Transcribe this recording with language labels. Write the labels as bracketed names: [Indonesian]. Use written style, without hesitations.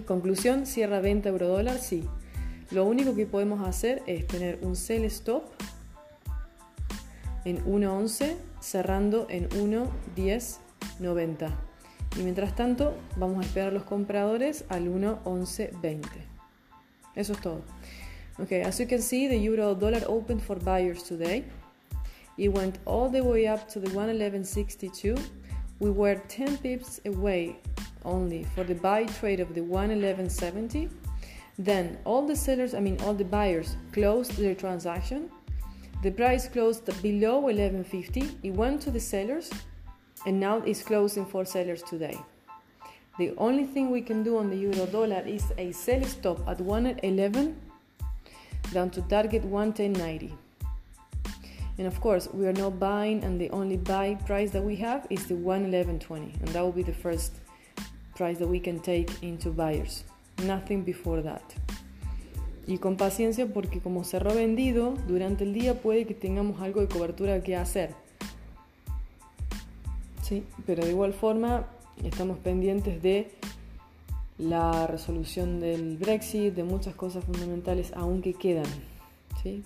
[Spanish] Conclusión, cierra venta euro dólar, sí. Lo único que podemos hacer es tener un sell stop en 1.11 cerrando en 1.1090. Y mientras tanto, vamos a esperar a los compradores al 1.1120. Eso es todo. [English] Okay, as you can see, the euro dollar opened for buyers today. It went all the way up to the 1.1162. We were 10 pips away only for the buy trade of the 1.1170. Then all the buyers closed their transaction. The price closed below 1150. It went to the sellers. And now it's closing for sellers today. The only thing we can do on the euro dollar is a sell stop at 1.11 down to target 1.1090. And of course, we are not buying, and the only buy price that we have is the 1.1120. And that will be the first price that we can take into buyers. Nothing before that. [Spanish] Y con paciencia, porque como cerró vendido, durante el día puede que tengamos algo de cobertura que hacer. Sí, pero de igual forma estamos pendientes de la resolución del Brexit, de muchas cosas fundamentales aún que quedan. ¿Sí?